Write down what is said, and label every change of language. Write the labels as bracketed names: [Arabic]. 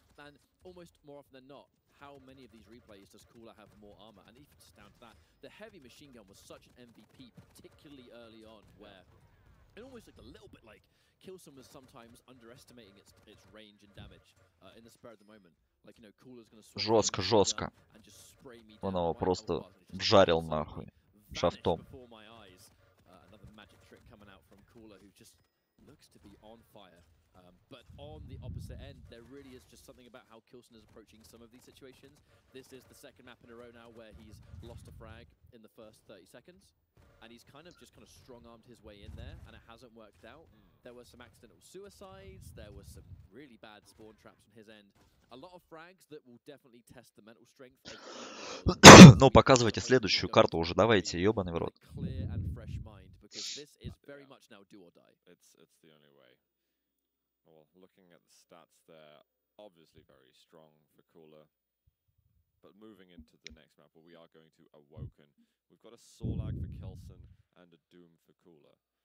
[English] And almost more often than not, how many of these replays does Cooler have more armor? And even just down to that, the heavy machine gun was such an MVP, particularly early on, where it almost looked a little bit like Kilsen was sometimes underestimating its range and damage in the spur of the moment. Like, you know, Cooler's gonna switch. [Russian] Жестко, жестко. [English] And just spray me down. [Russian] Он его просто жарил нахуй шафтом. [English] Before my eyes, another magic trick coming out from Cooler, who just looks to be on fire. But on the opposite end, there really is just something about how Kilsen is approaching some of these situations. This is the second map in a row now where he's lost a frag in the first 30 seconds. And he's kind of just kind of strong-armed his way in there, and it hasn't worked out. Mm. There were some accidental suicides. There were some really bad spawn traps on his end. A lot of frags that will definitely test the mental strength. [Russian] Ну, показывайте следующую карту уже, давайте, ёбаный в рот. [English] Clear and fresh mind, because this is very much now do or die. It's the only way. Well, looking at the stats there, obviously very strong for Cooler. But moving into the next map, where we are going to Awoken, we've got a Sorlag for Kilsen and a Doom for Cooler.